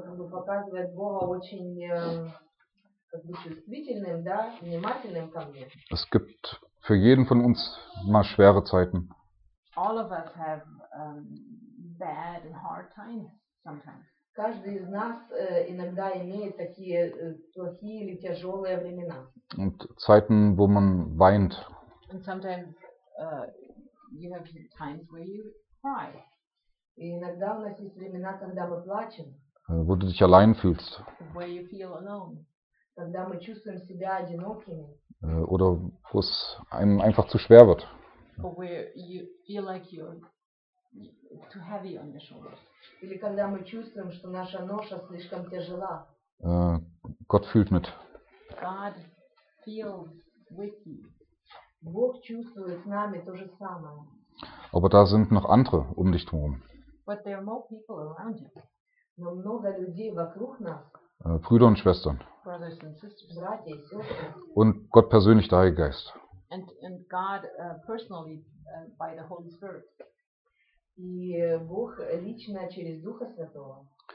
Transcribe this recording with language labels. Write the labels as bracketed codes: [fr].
[ru] Показывает Бога очень чувствительным, да, внимательным ко мне. [de] Es gibt für jeden von uns mal schwere Zeiten. [en] All of us have bad and hard times sometimes. [ru] Каждый из нас иногда имеет такие плохие или тяжелые времена. [de] Und Zeiten, wo man weint. [en] And sometimes you have times where you cry. [ru] И иногда у нас есть времена, когда мы плачем. [de] Wo du dich allein fühlst. [en] Where you feel alone. [ru] Когда мы чувствуем себя одинокими. [de] Oder wo es einem einfach zu schwer wird. [en] Or where you feel like you're too heavy on your shoulders. [ru] Или когда мы чувствуем, что наша ноша слишком тяжела. [de] Gott fühlt mit. [en] God feels with you. [ru] Бог чувствует с нами то же самое. [de] Aber da sind noch andere um dich herum. [en] But there are more people around you. [ru] Но много людей вокруг нас. [de] Brüder und Schwestern. [en] Brothers and sisters. [ru] Братья и сестры. [de] Und Gott persönlich, der Heilige Geist. [en] And God personally by the Holy Spirit. [ru] И Бог лично через Духа Святого.